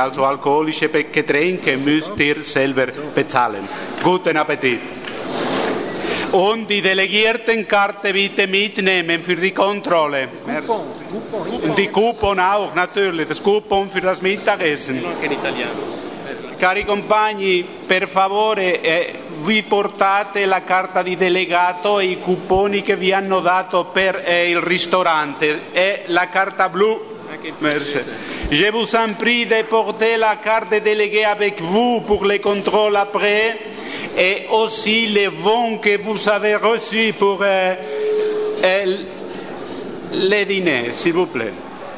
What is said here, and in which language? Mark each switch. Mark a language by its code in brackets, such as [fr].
[de] Also alkoholische Getränke müsst ihr selber bezahlen. Guten Appetit. Und die Delegiertenkarte bitte mitnehmen für die Kontrolle. Die Coupon auch, natürlich, das Coupon für das Mittagessen. [it] Cari compagni, per favore, vi portate la carta di delegato e i cuponi che vi hanno dato per il ristorante. E la carta blu. Merci. [fr] Je vous en prie de porter la carte de délégué avec vous pour les contrôles après et aussi les bons que vous avez reçus pour les dîners, s'il vous plaît.